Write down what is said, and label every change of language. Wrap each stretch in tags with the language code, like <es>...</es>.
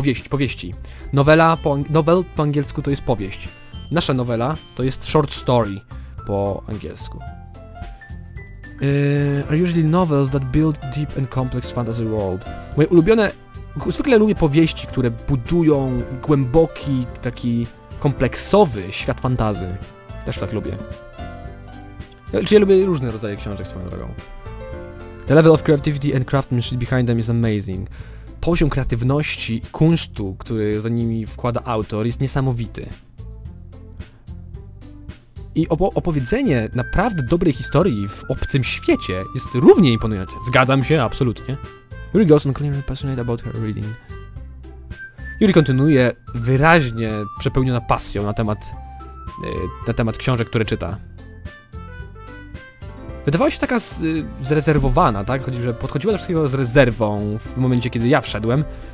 <pl>Powieści. Novel po angielsku to jest powieść. Nasza novela to jest</pl> <en>short story</en> <pl>po angielsku.</pl> <en>Are usually novels that build deep and complex fantasy world.</en> <pl>Moje ulubione... Zwykle lubię powieści, które budują głęboki, taki kompleksowy świat fantasy. Też tak lubię. Czyli ja lubię różne rodzaje książek swoją drogą.</pl> <en>The level of creativity and craftsmanship behind them is amazing.</en> <pl>Poziom kreatywności i kunsztu, który za nimi wkłada autor, jest niesamowity. I opowiedzenie naprawdę dobrej historii w obcym świecie jest równie imponujące. Zgadzam się, absolutnie.</pl> <en>Yuri goes on clearly passionate about her reading.</en> <pl>Yuri kontynuuje wyraźnie przepełniona pasją na temat książek, które czyta. Wydawała się taka zrezerwowana, tak? Chodzi, że podchodziła do wszystkiego z rezerwą w momencie, kiedy ja wszedłem.</pl>